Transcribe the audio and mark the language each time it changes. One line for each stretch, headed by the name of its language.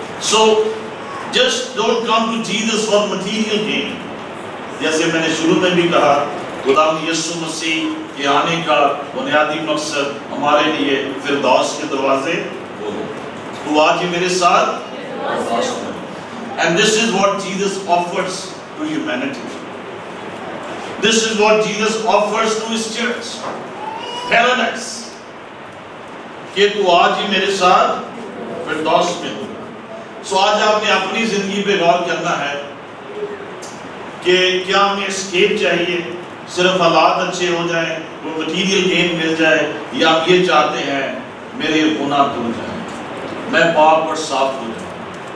English: So just don't come to Jesus for material gain.
Urdu: جیسے میں نے شروع میں بھی کہا, خدا یسوع مسیح کے آنے کا بنیادی مقصد ہمارے لیے فردوس کے دروازے کھولو. تو آج میرے ساتھ فردوس میں.
English: And this is what Jesus offers to humanity. This is what Jesus offers to his church. Paradise.
Urdu: کہ تو آج ہی میرے ساتھ فردوس میں ہوگا. سو آج آپ نے اپنی زندگی پہ غور کرنا ہے کہ کیا ہمیں اسکیپ چاہیے, صرف حالات اچھے ہو جائیں, وہ مٹیریل گین مل جائے, یا آپ یہ چاہتے ہیں میرے گناہ دھل جائیں, میں پاک اور صاف ہو جائیں.